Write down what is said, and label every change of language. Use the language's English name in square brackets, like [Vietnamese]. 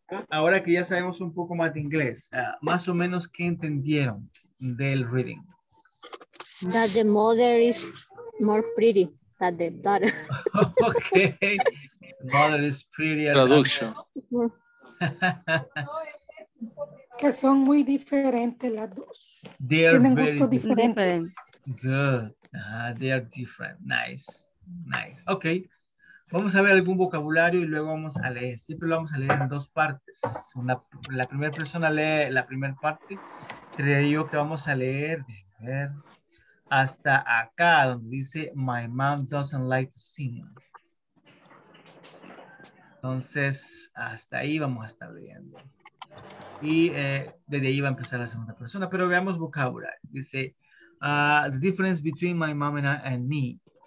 [Spanish] Ahora que ya sabemos un poco más de inglés, más o menos, ¿qué entendieron del reading? [English] That the mother is more pretty than the daughter. Okay. Mother is prettier. [Spanish] Traduction. Que son muy diferentes las dos. [English] They are [Spanish] tienen [English] very [Spanish] gusto diferentes. [English] Good. They are different. Nice. Okay. [Spanish] Vamos a ver algún vocabulario y luego vamos a leer. Siempre lo vamos a leer en dos partes. La primera persona lee la primera parte. Creo yo que vamos a leer. A ver. Hasta acá, donde dice, [English] my mom doesn't like to sing. [Spanish] Entonces, hasta ahí vamos a estar leyendo. Y desde ahí va a empezar la segunda persona. Pero veamos vocabulario. [English] Dice, the difference between my mom and me.